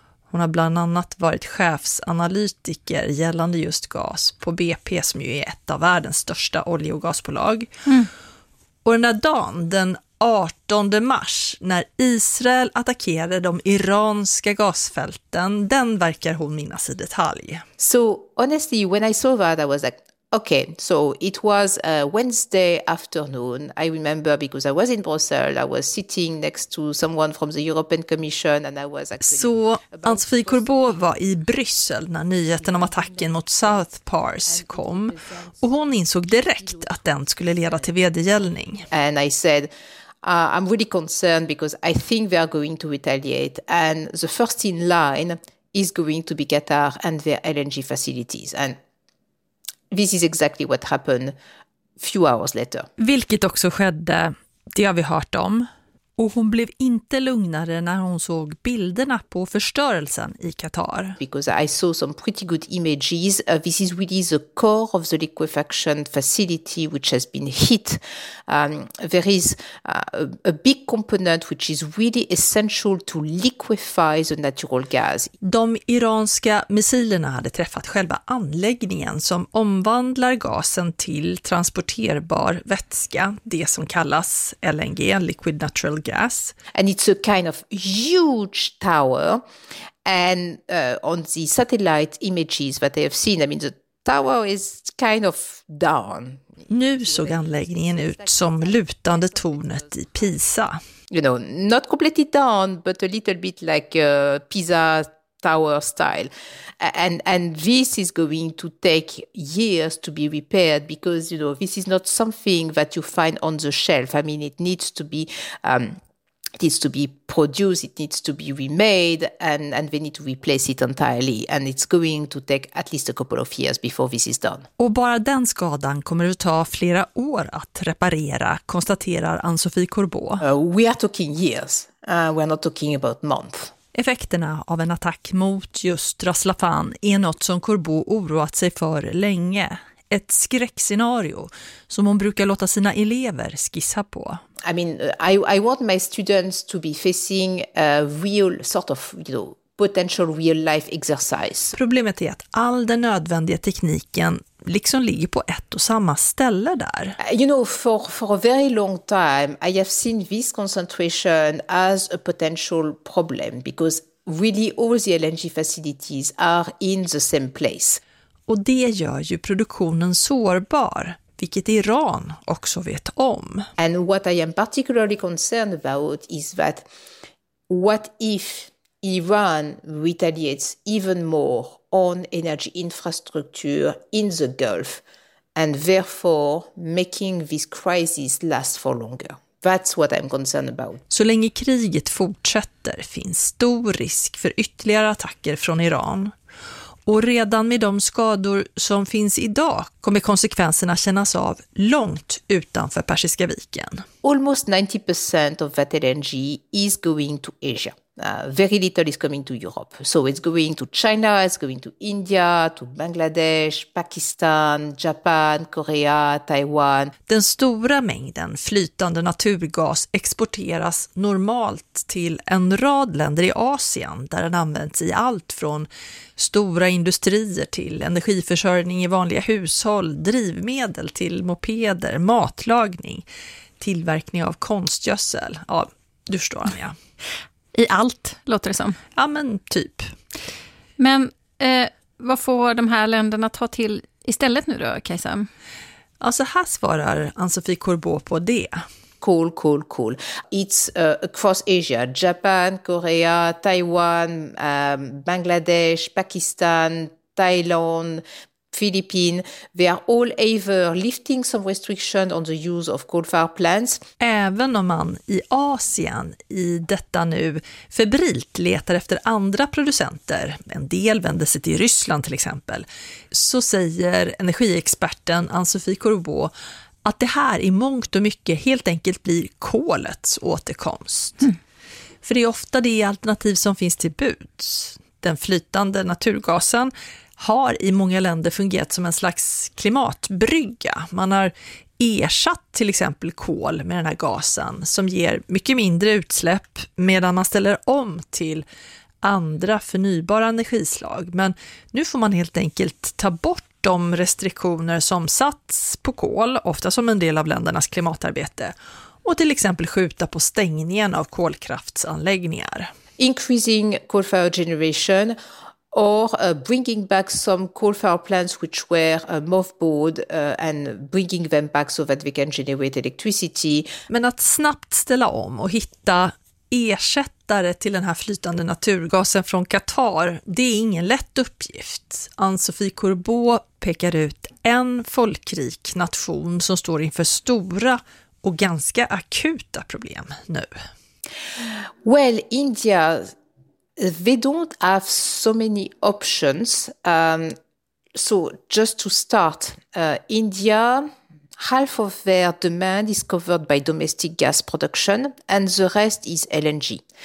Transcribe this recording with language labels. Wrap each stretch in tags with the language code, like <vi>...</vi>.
<sv>Hon har bland annat varit chefsanalytiker gällande just gas på BP, som ju är ett av världens största olje- och gasbolag. Mm. Och den där dagen, den 18 mars, när Israel attackerade de iranska gasfälten, den verkar hon minnas i detalj.</sv> <en>So honestly, when I saw that, I was like, okay, so it was a Wednesday afternoon. I remember because I was in Brussels. I was sitting next to someone from the European Commission and I was actually...</en> <sv>Så Anne-Sophie Courbeau var i Bryssel när nyheten om attacken mot South Pars kom, och hon insåg direkt att den skulle leda till vedergällning.</sv> <en>And I said, I'm really concerned because I think they are going to retaliate, and the first in line is going to be Qatar and their LNG facilities. And this is exactly what happened few hours later.</en> <sv>Vilket också skedde, det har vi hört om. Och hon blev inte lugnare när hon såg bilderna på förstörelsen i Qatar.</sv> <en>Because I saw some pretty good images. This is really the core of the liquefaction facility which has been hit. There is a big component which is really essential to liquefy the natural gas.</en> <sv>De iranska missilerna hade träffat själva anläggningen som omvandlar gasen till transporterbar vätska, det som kallas LNG, liquid natural gas.</sv> <en>And it's a kind of huge tower, and on the satellite images that I have seen, I mean the tower is kind of down.</en> <sv>Nu såg anläggningen ut som lutande tornet i Pisa.</sv> <en>You know, not completely down, but a little bit like Pisa tower style. And this is going to take years to be repaired because, you know, this is not something that you find on the shelf. I mean, it needs to be produced, it needs to be remade, and they need to replace it entirely. And it's going to take at least a couple of years before this is done.</en> <sv>Och bara den skadan kommer att ta flera år att reparera, konstaterar Anne-Sophie Courbeau.</sv> <en>We are talking years. We're not talking about months.</en> <sv>Effekterna av en attack mot just Ras Laffan är något som Courbeau oroat sig för länge. Ett skräckscenario som hon brukar låta sina elever skissa på.</sv> <en>I mean, I want my students to be facing a real sort of, you know, potential real life exercise.</en> <sv>Problemet är att all den nödvändiga tekniken liksom ligger på ett och samma ställe där.</sv> <en>You know, for a very long time I have seen this concentration as a potential problem because really all the LNG facilities are in the same place.</en> <sv>Och det gör ju produktionen sårbar, vilket Iran också vet om.</sv> <en>And what I am particularly concerned about is that what if Iran retaliates even more on energy infrastructure in the Gulf and therefore making this crisis last for longer. That's what I'm concerned about.</en> <sv>Så länge kriget fortsätter finns stor risk för ytterligare attacker från Iran. Och redan med de skador som finns idag kommer konsekvenserna kännas av långt utanför Persiska viken.</sv> <en>Almost 90% of that LNG is going to Asia. Very little is coming to Europe. So it's going to China, it's going to India, to Bangladesh, Pakistan, Japan, Korea, Taiwan.</en> <sv>Den stora mängden flytande naturgas exporteras normalt till en rad länder i Asien där den används i allt från stora industrier till energiförsörjning i vanliga hushåll, drivmedel till mopeder, matlagning, tillverkning av konstgödsel. Ja, du förstår, Anja. I allt, låter det som. Ja, men typ. Men vad får de här länderna ta till istället nu då, Kajsa? Alltså här svarar Anne-Sophie Courbeau på det.</sv> <en>Cool, cool, cool. It's across Asia. Japan, Korea, Taiwan, Bangladesh, Pakistan, Thailand, Philippines. They are all either lifting some restrictions on the use of coal-fired plants.</en> <sv>Även om man i Asien i detta nu febrilt letar efter andra producenter, en del vänder sig till Ryssland till exempel, så säger energiexperten Anne-Sophie Courbeau att det här i mångt och mycket helt enkelt blir kolets återkomst. Mm. För det är ofta det alternativ som finns till buds. Den flytande naturgasen har i många länder fungerat som en slags klimatbrygga. Man har ersatt till exempel kol med den här gasen som ger mycket mindre utsläpp medan man ställer om till andra förnybara energislag. Men nu får man helt enkelt ta bort de restriktioner som satts på kol, ofta som en del av ländernas klimatarbete, och till exempel skjuta på stängningen av kolkraftsanläggningar.</sv> <en>Increasing coal-fired generation or bringing back some coal-fired plants which were mothballed and bringing them back so that we can generate electricity.</en> <sv>Men att snabbt ställa om och hitta ersättare till den här flytande naturgasen från Qatar, det är ingen lätt uppgift. Anne-Sophie Courbeau pekar ut en folkrik nation som står inför stora och ganska akuta problem nu.</sv> <en>Well, India, they don't have so many options. So just to start, India, half of their demand is covered by domestic gas production and the rest is LNG.</en>